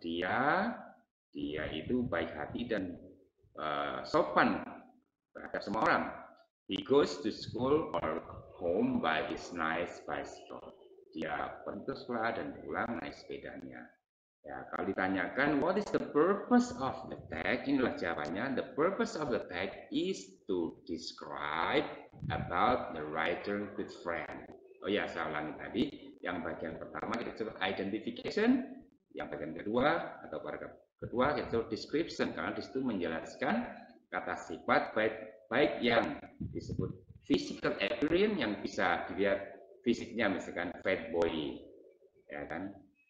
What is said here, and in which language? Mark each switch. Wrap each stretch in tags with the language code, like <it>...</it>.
<id>Dia itu baik hati dan sopan terhadap semua orang.</id> <en>He goes to school or home by his nice bicycle.</en> <id>Dia pergi sekolah dan pulang naik sepedanya. Ya, kalau ditanyakan</id> <en>what is the purpose of the tag,</en> <id>inilah jawabannya.</id> <en>The purpose of the tag is to describe about the writer good friend.</en> <id>Oh ya, saya ulangi tadi, yang bagian pertama kita sebut identification, yang bagian kedua atau paragraf kedua kita sebut description, karena di situ menjelaskan kata sifat baik yang disebut physical appearance yang bisa dilihat fisiknya, misalkan</id> <en>fat boy,</en> <id>ya kan?</id>